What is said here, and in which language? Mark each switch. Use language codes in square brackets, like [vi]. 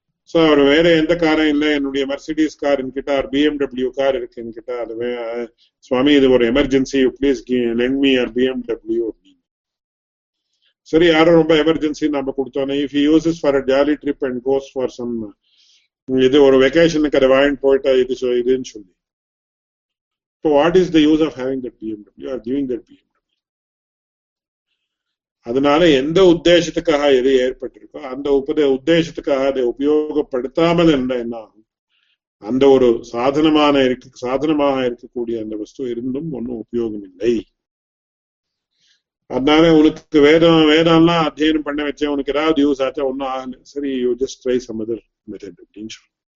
[ta] So அவர் வேற எந்த காரும் இல்லை, என்னுடைய மெர்சிடிஸ் கார் என்கிட்ட ஆர் பிஎம்டபிள்யூ கார் இருக்கு என்கிட்ட, அது சுவாமி இது ஒரு emergency, [en] please lend me your BMW [ta] அப்படின்னு. சரி, யாரும் ரொம்ப எமர்ஜென்சி நம்ம கொடுத்தோன்னா, [en] if uses for a jolly trip and goes for some [ta] இது ஒரு வெக்கேஷனுக்கு அதை வாங்கிட்டு போயிட்டா இது இதுன்னு சொல்லி. [en] So what is the use of having that BMW or giving that BMW? [ta] அதனால எந்த உத்தேசத்துக்காக எது ஏற்பட்டிருக்கோ அந்த உத்தேசத்துக்காக அதை உபயோகப்படுத்தாமல் என்ன ஆகும், அந்த ஒரு சாதனமாக இருக்கக்கூடிய அந்த வஸ்து இருந்தும் ஒன்றும் உபயோகம் இல்லை. அதனால உனக்கு வேதம்லாம் அத்தியனம் பண்ண வச்சேன், உனக்கு ஏதாவது யூஸ் ஆச்சா ஒன்றும் ஆகல, சரி [en] you just try some other method [ta] அப்படின்னு சொல்லுங்க.